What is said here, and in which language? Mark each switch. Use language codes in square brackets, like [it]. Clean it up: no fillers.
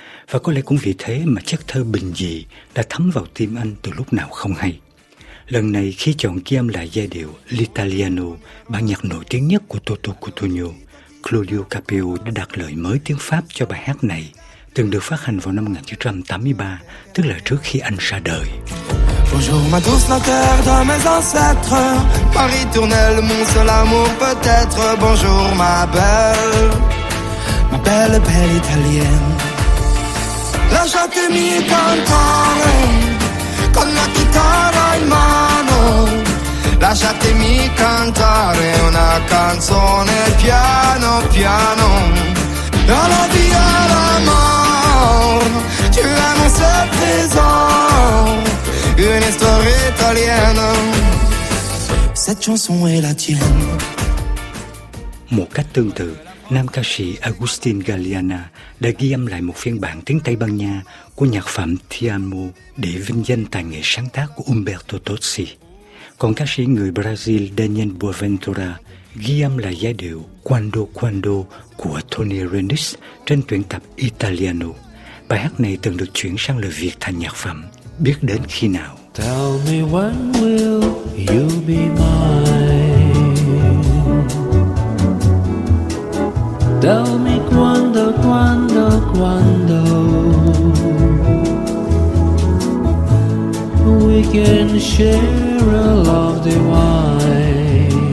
[vi] Và có lẽ cũng vì thế mà chất thơ bình dị đã thấm vào tim anh từ lúc nào không hay. Lần này khi chọn ghi âm lại giai điệu L'Italiano, bản nhạc nổi tiếng nhất của Toto Cutugno, Claudio Capeo đã đặt lời mới tiếng Pháp cho bài hát này, từng được phát hành vào năm 1983, tức là trước khi anh ra đời. [fr] Bonjour ma douce, la terre de mes ancêtres, Paris tournelle, mon seul amour peut-être. Bonjour ma belle, belle italienne. [it] Lasciatemi cantare con la chitarra in mano, lasciatemi cantare una canzone piano piano. [fr] Alla via la mort, tu es mon seul trésor. Une histoire italienne. Cette chanson est la tienne. [vi] Một cách tương tự, nam ca sĩ Agustin Galeana đã ghi âm lại một phiên bản tiếng Tây Ban Nha của nhạc phẩm Ti Amo để vinh danh tài nghệ sáng tác của Umberto Tozzi. Còn ca sĩ người Brazil Daniel Boaventura ghi âm lại giai điệu Quando Quando của Tony Renis trên tuyển tập Italiano. Bài hát này từng được chuyển sang lời Việt thành nhạc phẩm Biết đến khi nào. [en] Tell me when will you be mine. Tell me [it] quando, quando, quando. [en] We can share a love divine.